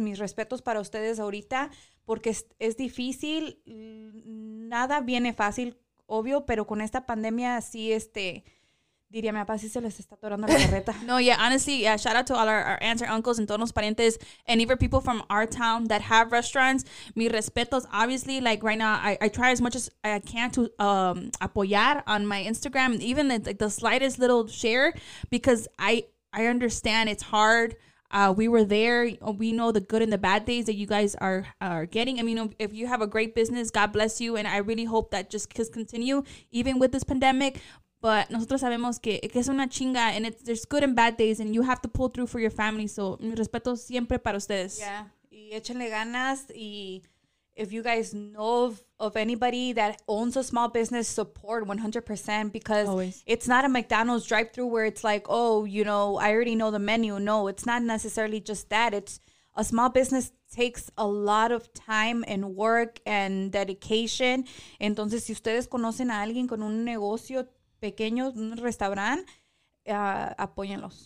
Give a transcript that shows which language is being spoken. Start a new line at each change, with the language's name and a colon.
Spanish: Mis respetos para ustedes ahorita, porque es difícil, nada viene fácil, obvio, pero con esta pandemia sí Diría mi papá, si se les está atorando la carreta.
English: No, yeah, honestly, yeah, shout out to all our aunts, our uncles, and
Spanish: todos los parientes,
English: and even people from our town that have restaurants.
Spanish: Mi respetos,
English: obviously, like right now, I try as much as I can to apoyar on my Instagram, even like the slightest little share, because I understand it's hard. We were there. We know the good and the bad days that you guys are getting. I mean, if you have a great business, God bless you. And I really hope that just can continue, even with this pandemic. But
Spanish: nosotros sabemos que es una chinga,
English: and it's, there's good and bad days, and you have to pull through for your family.
Spanish: So, mi respeto siempre para ustedes. Yeah, y échenle ganas.
English: Y if you guys know of anybody that owns a small business, support 100%, because always. It's not a McDonald's drive-thru where it's like, oh, you know, I already know the menu. No, it's not necessarily just that. It's a small business takes a lot of time and work and dedication.
Spanish: Entonces, si ustedes conocen a alguien con un negocio pequeño, un restaurante, apóyenlos.